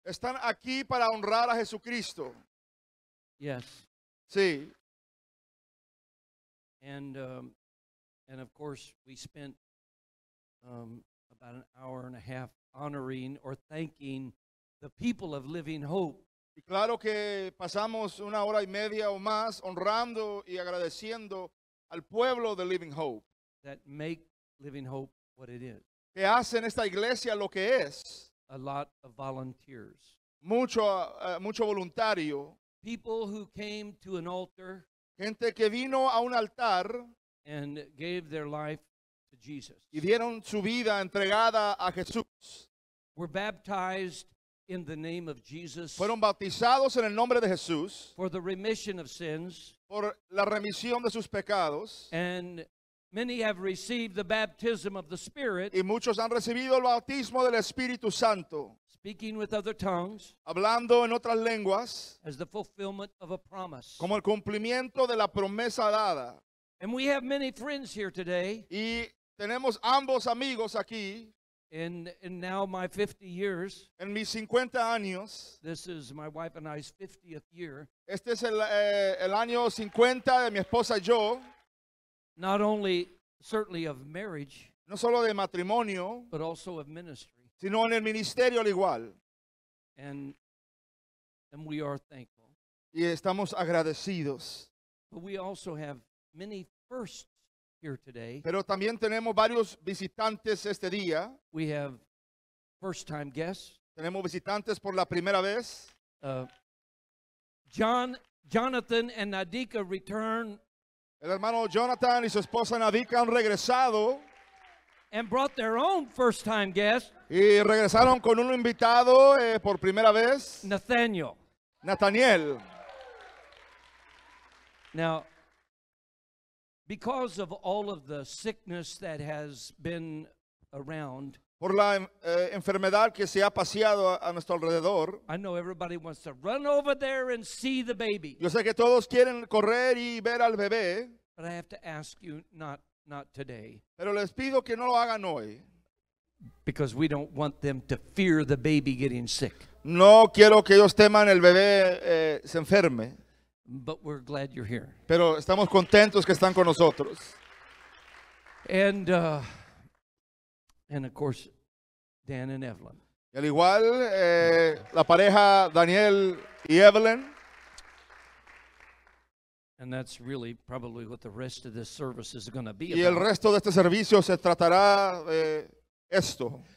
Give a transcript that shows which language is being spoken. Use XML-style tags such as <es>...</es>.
<es>Están aquí para honrar a Jesucristo.</es> <en>Yes.</en> <es>Sí.</es> <en>And of course, we spent about an hour and a half honoring or thanking the people of Living Hope.</en> <es>Y claro que pasamos una hora y media o más honrando y agradeciendo al pueblo de Living Hope.</es> <en>That make Living Hope what it is.</en> <es>Que hacen esta iglesia lo que es.</es> <en>A lot of volunteers.</en> <es>Mucho voluntario.</es> <en>People who came to an altar.</en> <es>Gente que vino a un altar.</es> <en>And gave their life to Jesus.</en> <es>Y dieron su vida entregada a Jesús.</es> <en>Were baptized in the name of Jesus.</en> <es>Fueron bautizados en el nombre de Jesús.</es> <en>For the remission of sins.</en> <es>Por la remisión de sus pecados.</es> <en>And many have received the baptism of the Spirit.</en> <es>Y muchos han recibido el bautismo del Espíritu Santo.</es> <en>Speaking with other tongues.</en> <es>Hablando en otras lenguas.</es> <en>As the fulfillment of a promise.</en> <es>Como el cumplimiento de la promesa dada.</es> <en>And we have many friends here today.</en> <es>Y tenemos ambos amigos aquí.</es> <en>In now my 50 years.</en> <es>En mis 50 años.</es> <en>This is my wife and I's 50th year.</en> <es>Este es el año 50 de mi esposa y yo.</es> <en>Not only certainly of marriage.</en> <es>No solo de matrimonio.</es> <en>But also of ministry.</en> <es>Sino en el ministerio al igual.</es> <en>And we are thankful.</en> <es>Y estamos agradecidos.</es> <en>But we also have many firsts here today.</en> <es>Pero también tenemos varios visitantes este día.</es> <en>We have first-time guests.</en> <es>Tenemos visitantes por la primera vez.</es> <en>Jonathan and Nadika return.</en> <es>El hermano Jonathan y su esposa Nadika han regresado.</es> <en>And brought their own first-time guest.</en> <es>Y regresaron con un invitado por primera vez. Nathaniel.</es> <en>Now, because of all of the sickness that has been around,</en> <es>por la enfermedad que se ha paseado a nuestro alrededor,</es> <en>I know everybody wants to run over there and see the baby.</en> <es>Yo sé que todos quieren correr y ver al bebé.</es> <en>But I have to ask you not today.</en> <es>Pero les pido que no lo hagan hoy.</es> <en>Because we don't want them to fear the baby getting sick.</en> <es>No quiero que ellos teman el bebé se enferme.</es> <en>But we're glad you're here.</en> <es>Pero estamos contentos que están con nosotros.</es> <en>And of course, Dan and Evelyn.</en> <es>Y al igual, la pareja Daniel y Evelyn.</es> <en>And that's really probably what the rest of this service is going to be</en> <es>y Y el resto de este servicio se tratará de esto.</es>